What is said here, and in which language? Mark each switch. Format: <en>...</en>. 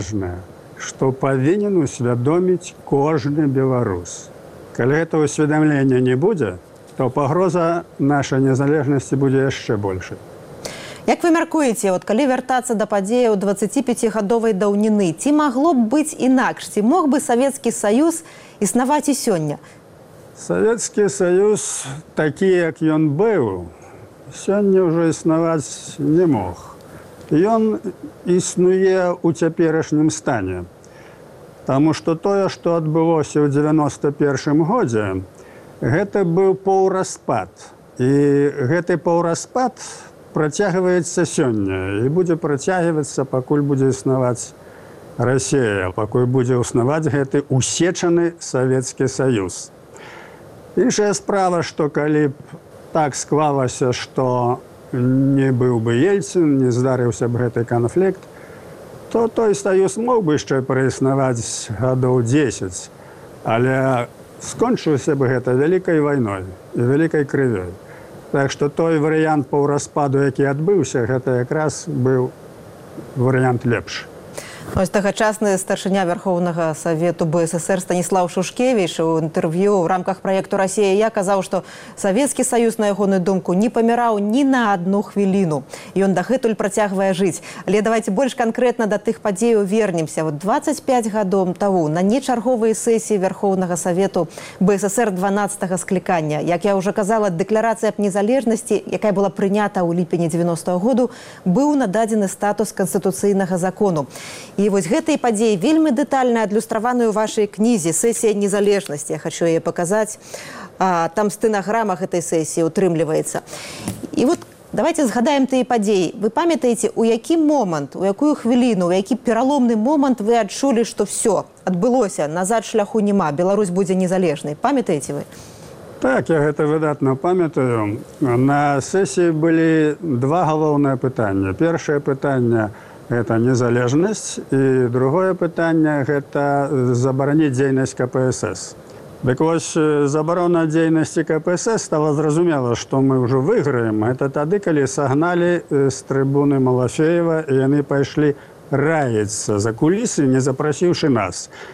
<ru>важное, что повинен усведомить каждый белорус. Коли этого усведомления не будет, то погроза нашей незалежности будет еще больше.</ru> <be>Як ви мяркуеце, от калі вяртацца да падзеяў 25-гадовай даўніны, ці магло б быць інакш, ці мог бы Савецкі Саюз існаваць і сёння? Савецкі Саюз, такі як ён быў, сёння ўжо існаваць не мог. Ён існуе ў цяперашнім стане. Таму што тое, што адбылося ў 91-м годзе, гэта быў паўраспад. І гэты паўраспад</be> <ru>протягивается сегодня и будет протягиваться, покуль будет основать Россия, покуль будет основать этот усеченный Советский Союз. Иншая справа, что коли б так склалося, что не был бы Ельцин, не здарился бы этот конфликт, то той Союз мог бы еще происновать годов 10, але скончился бы это великой войной и великой кривой. Так что той вариант по распаду, який отбылся, это как раз был вариант лепш.</ru> <be>Ось тагачасны старшыня Верховнага Савету БССР Станіслаў Шушкевіч у інтэрв'ю ў рамках праекту «Расія» я казаў, што Савецкі Саюз, на ягоны думку, не паміраў ні на адну хвіліну. Ён дагэтуль працягвае жыць. Але</be> <ru>давайте</ru> <be>больш канкрэтна да тых падзеяў вернемся. Вот 25 гадом таму на нечарговай сесіі Верховнага Савету БССР 12-га склікання. Як я ўжо казала, дэкларацыя аб незалежнасці, якая была прынята ў ліпені 90-го году, быў нададзены статус канстытуцыйнага закону. І вось гэтыя падзеі вельмі дэтальна адлюстраваны ў вашай кнізе «Сесія незалежнасці». Я хачу яе паказаць. Там стэнаграма гэтай сесіі ўтрымліваецца. І вот</be> <ru>давайте</ru> <be>згадаем тыя падзеі. Вы памятаеце, у які момант, у якую хвіліну, у які пераломны момант вы адчулі, што все адбылося, назад шляху нема, Беларусь будзе незалежнай. Памятаеце вы? Так, я гэта выдатна памятаю. На сесіі былі два галоўныя пытання. Першае пытанне – это незалежность.</be> <ru>И другое пытание – это забаронить деятельность КПСС. Так вот, заборона деятельности КПСС стало зрозумело, что мы уже выиграем. Это тогда, когда согнали с трибуны Малафеева, и они пошли раиться за кулисы, не запросивши нас.</ru>